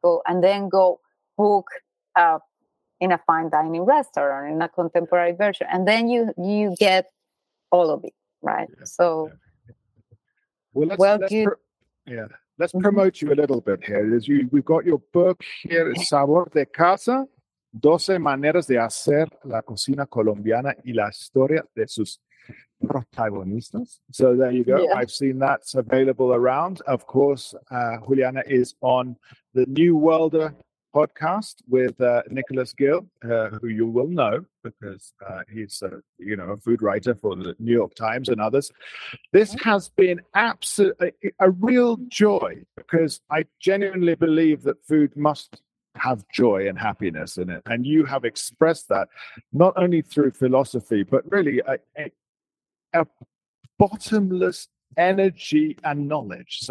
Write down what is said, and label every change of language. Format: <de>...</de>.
<en>Go and then go book in a fine dining restaurant in a contemporary version. And then you get all of it, right? Yeah. So, yeah. Let's promote you a little bit here. We've got your book here, Sabor de Casa.</en> <es>12 maneras de hacer la cocina colombiana y la historia de sus protagonistas.</es> <en>So there you go. Yeah. I've seen that's available around. Of course, Juliana is on the New Worlder podcast with Nicholas Gill, who you will know because he's a food writer for the New York Times and others. This has been a real joy because I genuinely believe that food must have joy and happiness in it, and you have expressed that not only through philosophy but really a bottomless energy and knowledge.</en>